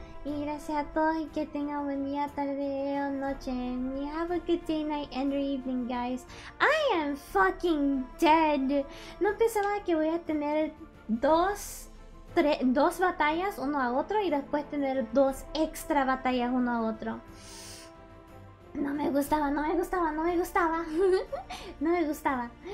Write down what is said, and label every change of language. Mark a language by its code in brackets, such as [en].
[es] Y gracias a todos y que tengan buen día, tarde o noche. [en] And you have a good day, night, and or evening, guys. I am fucking dead. [es] No pensaba que voy a tener dos batallas uno a otro y después tener dos extra batallas uno a otro. No me gustaba, no me gustaba, no me gustaba. No me gustaba.